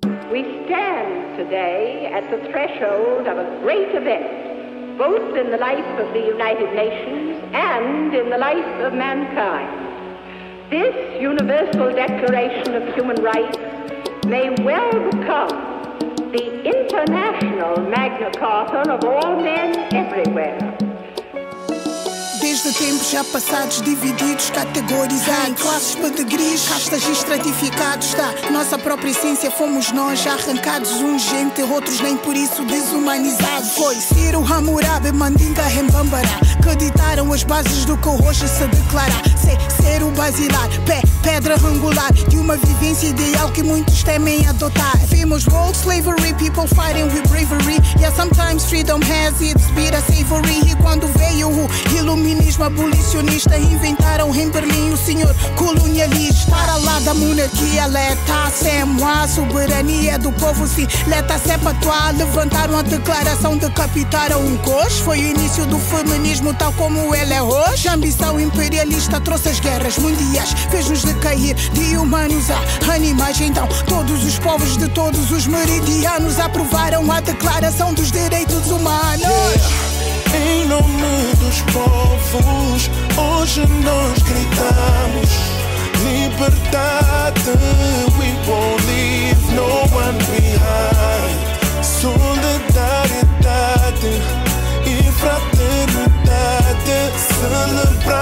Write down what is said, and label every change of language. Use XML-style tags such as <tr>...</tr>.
<en>We stand today at the threshold of a great event, both in the life of the United Nations and in the life of mankind. This Universal Declaration of Human Rights may well become the international Magna Carta of all men everywhere.</en> <pt>Desde tempos já passados, divididos, categorizados, classes, pedigrees, castas e estratificados, da nossa própria essência fomos nós, já arrancados, uns gente, outros nem por isso desumanizados. Foi Ciro, Hammurabi, Mandinga, Rembambara, que ditaram as bases do que hoje se declara. Ser o basilar, pé, pedra angular, de uma vivência ideal que muitos temem adotar. Vimos</pt> <en>world slavery, people fighting with bravery. Yeah, sometimes freedom has its bitter savory.</en> <pt>E quando veio o iluminismo abolicionista, inventaram em Berlim o senhor colonialista. Para lá da monarquia, leta semua, soberania do povo, sim, leta sepa tua. Levantaram a declaração, decapitaram um coxo. Foi o início do feminismo tal como ele é hoje. Ambição imperialista trouxe as guerras mundiais, fez-nos decair de humanos a animais. Então todos os povos de todos os meridianos aprovaram a declaração dos direitos humanos. Yeah. Em nome dos povos, hoje nós gritamos liberdade.</pt> <en>We won't leave no one behind.</en> <pt>Solidariedade e fraternidade, celebramos.</pt>